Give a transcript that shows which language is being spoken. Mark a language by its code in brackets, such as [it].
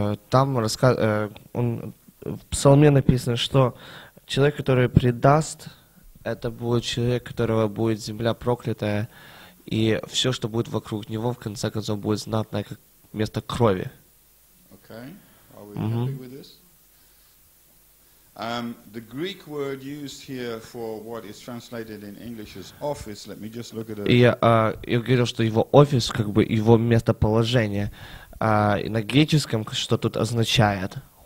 [ru] В Псалме написано, что человек, который предаст, это будет человек, которого будет земля проклятая, и все, что будет вокруг него, в конце концов, будет знатное как место крови. [en] Okay. Are we mm-hmm. happy with this? The Greek word used here for what is translated in English as office, let me just look at it. [ru] Я говорил, что его офис, как бы его местоположение. И на греческом, что тут означает?